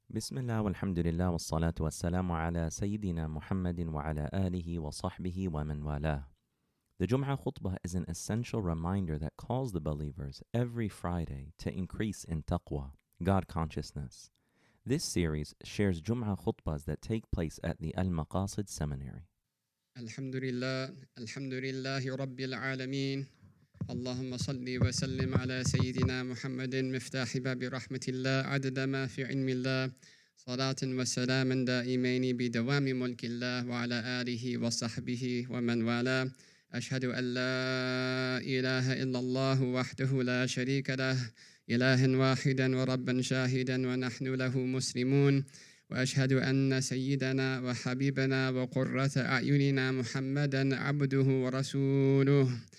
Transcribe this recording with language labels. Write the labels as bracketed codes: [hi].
[ar] بسم الله والحمد لله والصلاة والسلام على سيدنا محمد وعلى آله وصحبه ومن والاه. [en] The Jum'ah khutbah is an essential reminder that calls the believers every Friday to increase in taqwa, God consciousness. This series shares Jum'ah khutbahs that take place at the Al-Maqasid Seminary. [ar] Alhamdulillah, Alhamdulillahi Rabbil Alameen. اللهم صل وسلم على سيدنا محمد مفتاح باب رحمة الله عدد ما في علم الله صلاة وسلام دائمين بدوام ملك الله وعلى آله وصحبه ومن والاه أشهد أن لا إله إلا الله وحده لا شريك له إله واحدا وربا شاهدا ونحن له مسلمون وأشهد أن سيدنا وحبيبنا وقرة أعيننا محمدا عبده ورسوله